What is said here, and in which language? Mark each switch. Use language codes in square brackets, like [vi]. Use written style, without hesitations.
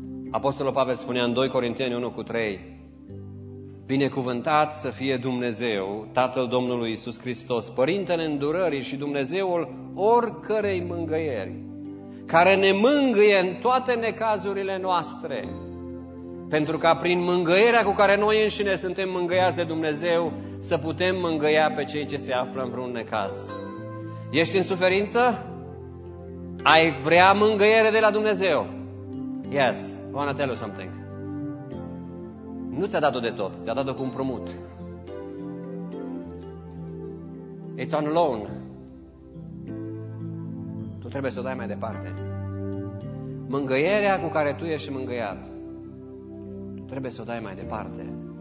[ro] Apostolul Pavel spunea în 2 Corinteni 1:3, binecuvântat să fie Dumnezeu, Tatăl Domnului Iisus Hristos, Părintele Îndurării și Dumnezeul oricărei mângăieri, care ne mângâie în toate necazurile noastre, pentru ca prin mângâierea cu care noi înșine suntem mângâiați de Dumnezeu, să putem mângâia pe cei ce se află în vreun necaz. Ești în suferință? Ai vrea mângâiere de la Dumnezeu? [en] Yes, I want to tell you something. [ro] Nu ți-a dat-o de tot, ți-a dat-o cu împrumut. [en] It's on loan. [ro] Tu trebuie să o dai mai departe. Mângâierea cu care tu ești mângâiat, tu trebuie să o dai mai departe.